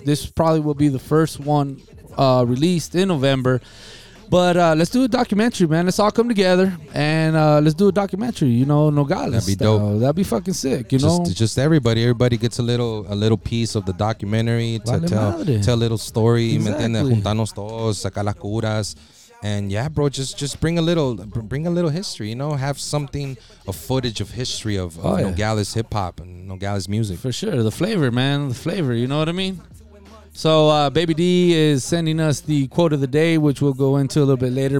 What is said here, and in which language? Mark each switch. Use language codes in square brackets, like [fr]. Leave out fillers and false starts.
[en] This probably will be the first one released in November. But let's do a documentary, man. Let's all come together and let's do a documentary, you know, Nogales. That'd be dope. That'd be fucking sick, you know? Just everybody. Everybody gets a little piece of the documentary to tell a little story. Exactly. [es] Juntarnos todos, sacar las curas. [en] And yeah, bro, just bring a little history, you know, have something, a footage of history of Nogales hip hop and Nogales music. For sure. The flavor, man. The flavor, you know what I mean? So Baby D is sending us the quote of the day, which we'll go into a little bit later.